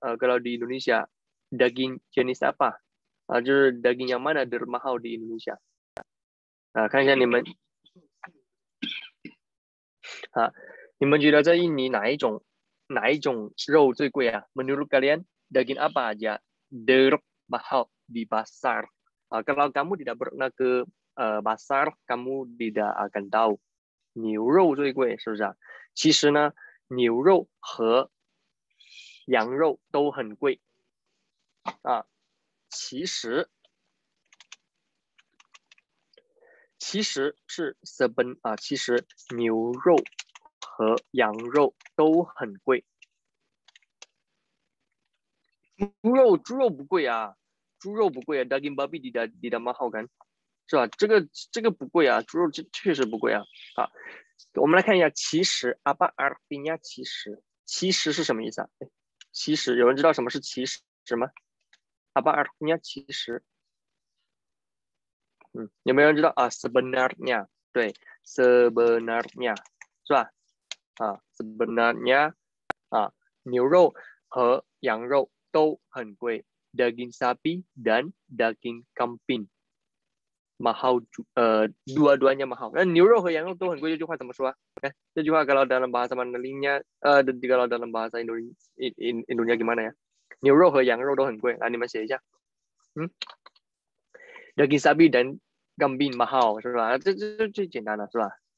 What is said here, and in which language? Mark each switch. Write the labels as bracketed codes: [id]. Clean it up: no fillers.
[id] kalau di Indonesia daging jenis apa？ [zh] 啊，就是 [id] daging yang mana termahal di Indonesia？ [zh] 啊，看一下你们，啊，你们觉得在印尼哪一种肉最贵啊？ [id] Menurut kalian daging apa aja termahal di pasar？啊，kalau kamu tidak pernah ke pasar, kamu tidak akan tahu [zh] 牛肉最贵是不是啊？其实呢，牛肉和羊肉都很贵啊。其实是 seven 啊，其实牛肉和羊肉都很贵。猪肉不贵啊，猪肉不贵啊， [id] daging babi tidak mahal kan， [zh] 是吧？这个不贵啊，猪肉确实不贵啊。好，我们来看一下其实 [id] apa artinya [zh] 其实是什么意思啊？其实有人知道什么是其实吗？好吧，你要其实，有没有人知道啊？sebenarnya，对，sebenarnya 是吧？ [id] 啊，sebenarnya 啊， [zh] 牛肉和羊肉都很贵， [id] daging sapi dan daging kambing mahal dua-duanya mahal。 [zh] 那牛肉和羊肉都很贵，这句话怎么说啊？ [id] 哎， [zh] 这句话 [id] kalau dalam bahasa Mandarinnya，kalau dalam bahasa Indonesia gimana 呀？ [zh] 牛肉和羊肉都很贵，来你们写一下。 [id] daging sapi dan kambing mahal 是吧？ [zh] 这最简单的是吧？